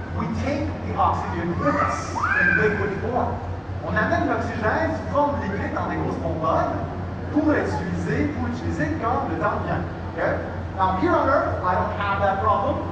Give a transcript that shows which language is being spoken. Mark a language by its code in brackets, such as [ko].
[en] We take the oxygen with us in liquid form. [fr] On amène l'oxygène sous forme liquide dans des grosses bonbonnes pour l'utiliser quand le temps vient. [en] Okay? Now here on Earth, I don't have that problem.